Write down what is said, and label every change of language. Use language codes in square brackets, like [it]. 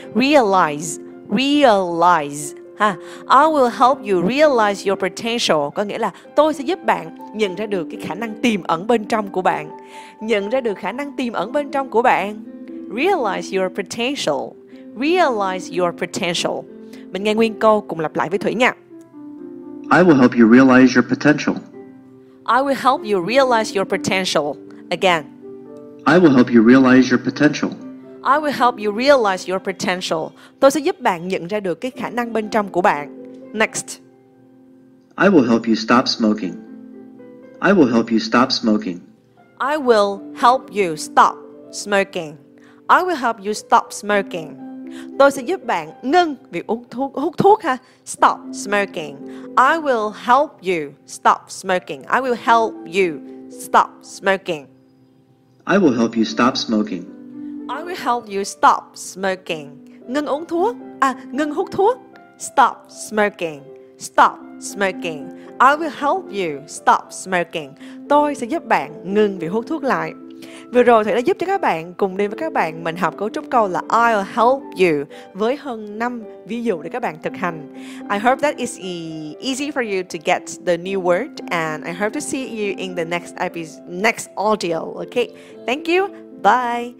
[en] Realize, realize [vi] ha. [en] I will help you realize your potential [vi] có nghĩa là tôi sẽ giúp bạn nhận ra được cái khả năng tiềm ẩn bên trong của bạn. Nhận ra được khả năng tiềm ẩn bên trong của bạn. [en] Realize your potential. Realize your potential. [vi] Mình nghe nguyên câu cùng lặp lại với Thủy nha. [en] I will help you realize your potential. I will help you realize your potential. Again. I will help you realize your potential. I will help you realize your potential. [vi] Tôi sẽ giúp bạn nhận ra được cái khả năng bên trong của bạn. [en] Next. I will help you stop smoking. I will help you stop smoking. I will help you stop smoking. I will help you stop smoking. [vi] Tôi sẽ giúp bạn ngưng việc hút thuốc ha. [en] Stop smoking. I will help you stop smoking. I will help you stop smoking. I will help you stop smoking. I will help you stop smoking. [vi] Ngưng uống thuốc. À, ngưng hút thuốc. [en] Stop smoking. Stop smoking. I will help you stop smoking. [vi] Tôi sẽ giúp bạn ngưng việc hút thuốc lại. Vừa rồi Thủy đã giúp cho các bạn cùng đi với các bạn mình học cấu trúc câu là [en] I'll help you [vi] với hơn 5 ví dụ để các bạn thực hành. [en] I hope that is easy for you to get the new word and I hope to see you in the next episode, next audio. Okay, thank you. Bye.